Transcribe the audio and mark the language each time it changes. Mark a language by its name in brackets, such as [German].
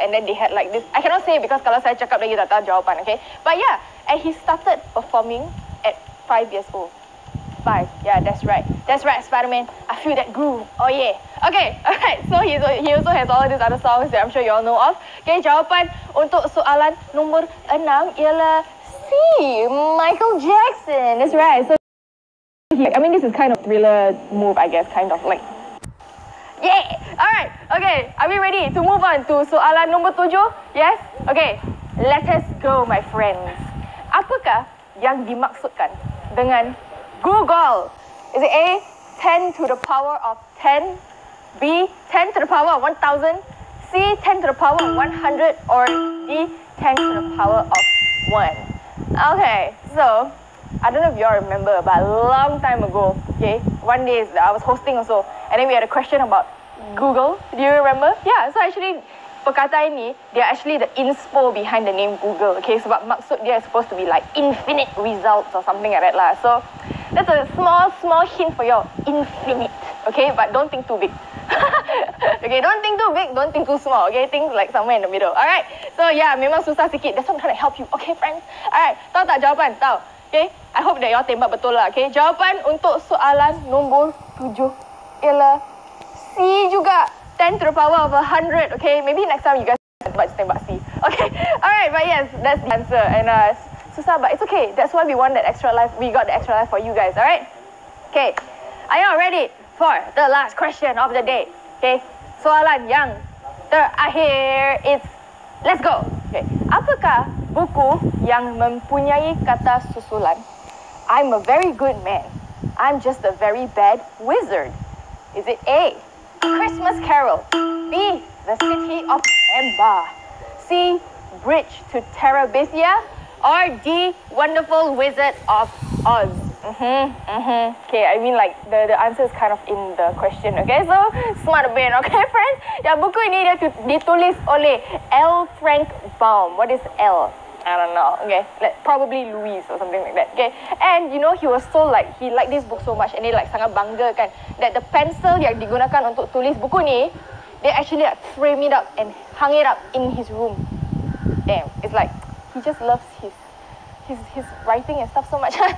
[English] And then they had like this, I cannot say because [Malay] kalau saya cakap lagi, tak tahu jawapan, [English] okay? But yeah, and he started performing at 5 years old. 5, yeah, that's right, Spider-Man, I feel that groove, oh yeah. Okay, alright, so he also has all of these other songs that I'm sure you all know of. [Malay] Okay, jawapan untuk soalan nombor 6 ialah C, Michael Jackson, [English] that's right. So, I mean, this is kind of thriller move, I guess, kind of like, yeah, alright, okay, are we ready to move on to [Malay] soalan nombor 7, [English] yes? Okay, let us go, my friends. [Malay] Apakah yang dimaksudkan dengan [English] Google? Is it A, 10 to the power of 10, B, 10 to the power of 1,000, C, 10 to the power of 100, or D, 10 to the power of 1? Okay, so, I don't know if y'all remember, but a long time ago, okay, one day I was hosting also, and then we had a question about Google. Do you remember? Yeah, so actually, [Malay] perkataan ini, [English] they are actually the inspo behind the name Google, okay? [Malay] Sebab maksud dia [English] is supposed to be like infinite results or something like that lah. So, that's a small hint for y'all. Infinite, okay? But don't think too big. Okay, don't think too big, don't think too small, okay? Think like somewhere in the middle, alright? So, yeah, [Malay] memang susah sikit. [English] That's why I'm trying to help you, okay, friends? Alright, [Malay] tahu tak jawapan? Tahu, [English] okay? I hope that y'all [Malay] tembak betul lah, [English] okay? [Malay] Jawapan untuk soalan nombor 7 ialah C juga. [English] 10 to the power of 100, okay? Maybe next time you guys might stand by C. Okay, alright, but yes, that's the answer. And susah, but it's okay. That's why we want that extra life. We got the extra life for you guys, alright? Okay, are y'all ready for the last question of the day? Okay, [Malay] soalan yang terakhir [English] is, let's go! [Malay] Okay, apakah buku yang mempunyai kata susulan? [English] I'm a very good man. I'm just a very bad wizard. Is it A, Christmas Carol, B, The City of Ember, C, Bridge to Terabithia, or D, Wonderful Wizard of Oz? Okay, I mean, like, the answer is kind of in the question, okay? So, smart brain, okay, friends? [Malay] Yeah, buku ini dia ditulis oleh L. [English] Frank Baum. What is L? I don't know, okay? Like, probably Louise or something like that, okay? And, you know, he was so, like, he liked this book so much and he, like, [Malay] sangat bangga, kan? [English] That the pencil [Malay] yang digunakan untuk tulis buku ni, [English] They actually like framed it up and hung it up in his room. Damn, it's like he just loves his writing and stuff so much.